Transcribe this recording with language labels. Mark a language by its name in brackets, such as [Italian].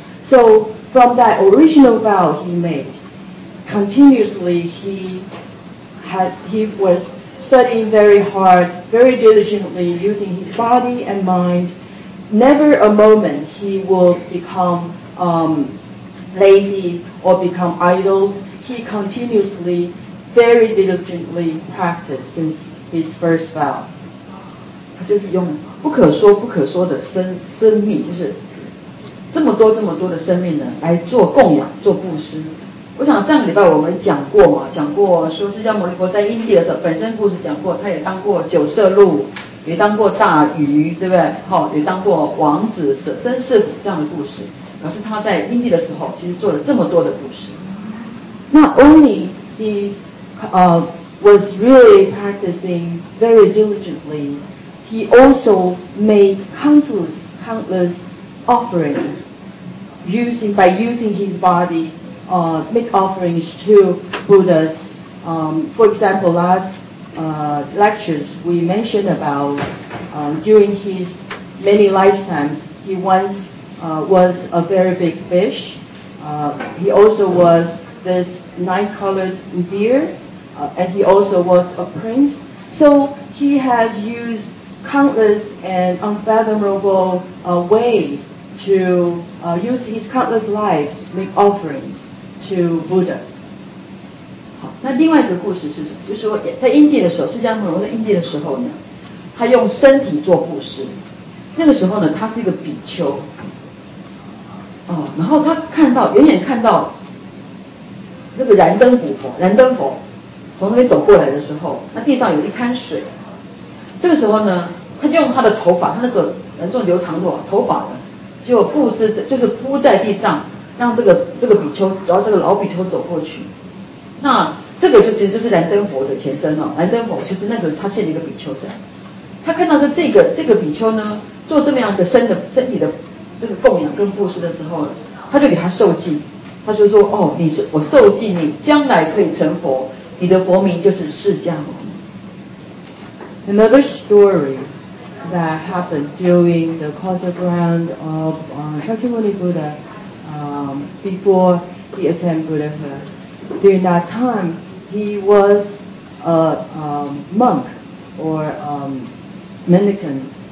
[English] So from that original vow he made, continuously he was studying very hard, very diligently, using his body and mind. Never a moment he will become lazy or become idle. He continuously, very diligently practiced since his first vow. [Chinese] 他就是用不可说不可说的 生命，就是这么多这么多的生命呢，来做供养，做布施。我想上个礼拜我们讲过嘛，讲过说释迦牟尼佛在因地的时候，本身故事讲过，他也当过九色鹿，也当过大鱼，对不对？也当过王子、舍身饲虎这样的故事。可是他在因地的时候，其实做了这么多的布施。 [English] Not only he was really practicing very diligently, he also made countless offerings by using his body. Make offerings to Buddhas. For example, last lectures we mentioned about during his many lifetimes, he once was a very big fish. He also was this nine-colored deer, and he also was a prince. So he has used countless and unfathomable ways to use his countless lives make offerings. To Buddhas. [Chinese] 好，那另外一个故事是什么？就是说，在因地的时候，释迦牟尼佛在因地的时候呢，他用身体做布施。那个时候呢，他是一个比丘。哦，然后他看到，远远看到那个燃灯古佛，燃灯佛从那边走过来的时候，那地上有一滩水。这个时候呢，他用他的头发，他那时候人种留长头发的，就布施，就是铺在地上。让这个比丘，然后这个老比丘走过去，那这个就其实就是燃灯佛的前身哦。燃灯佛其实那时候他现了一个比丘身，他看到这个比丘呢做这么样的身体的这个供养跟布施的时候，他就给他受记，他就说哦，你是我受记你将来可以成佛，你的佛名就是释迦牟尼。 [English] Another story that happened during the causal ground of Shakyamuni Buddha. Before he attained Buddhahood. During that time, he was a monk or mendicant.